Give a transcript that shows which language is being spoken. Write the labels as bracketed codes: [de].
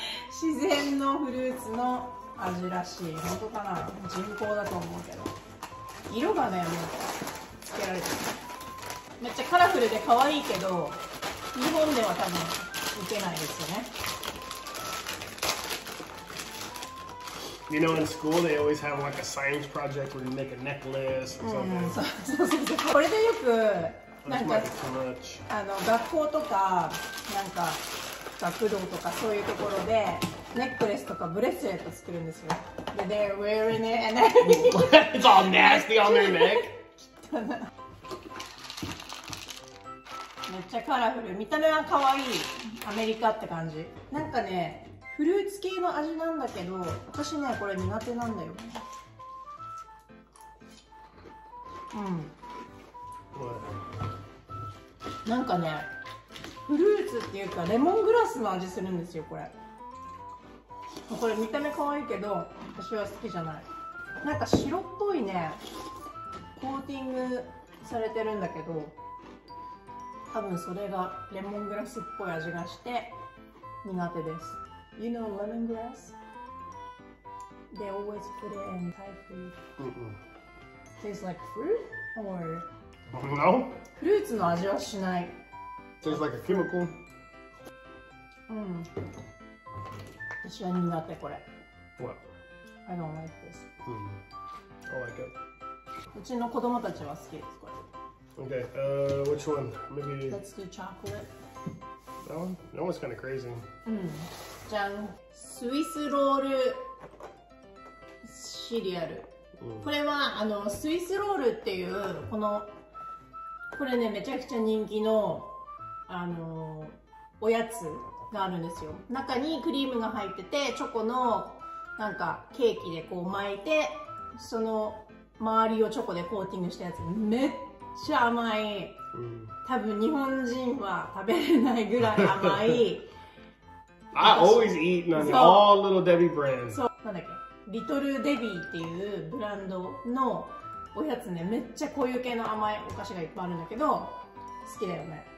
[ja] 自然のフルーツの味らしい。本当かな? 人工だと思うけど。色がね、もうつけられてる。めっちゃカラフルで可愛いけど、日本では多分受けないですよね。 [en] You know, in school they always have like a science project where you make a necklace or something. [ja] そう。これでよくなんか、あの学校とかなんか学童とかそういうところでネックレスとかブレスレット作るんですよ。 [en] で、they're wearing it and it's all nasty on their neck. [ja] めっちゃカラフル。見た目は可愛い。アメリカって感じ。なんかね、フルーツ系の味なんだけど、私ね、これ苦手なんだよ。うん。なんかね、フルーツっていうか、レモングラスの味するんですよ、これ。これ見た目可愛いけど、私は好きじゃない。なんか白っぽいね、コーティングされてるんだけど、多分それがレモングラスっぽい味がして苦手です。 [en] You know lemongrass? They always put it in Thai food. Tastes like fruit or? No. [ja] Fruits の味はしない。 [en] Tastes like a chemical. [ja] うん。私は苦手これ。 [en] What? I don't like this. I like it. [ja] うちの子供たちは好きですこれ。 [en] Okay, which one? Maybe. Let's do chocolate. That one? That one's kind of crazy. [ja] うん。じゃん。スイスロールシリアル。これはあのスイスロールっていうこのこれねめちゃくちゃ人気のあのおやつがあるんですよ。中にクリームが入っててチョコのなんかケーキでこう巻いてその周りをチョコでコーティングしたやつめっちゃ甘い、多分日本人は食べれないぐらい甘い。 [en] I always eat none of all little Debbie brands. [ja] そうなんだっけ、リトルデビーっていうブランドのおやつね、めっちゃこういう系の甘いお菓子がいっぱいあるんだけど好きだよね。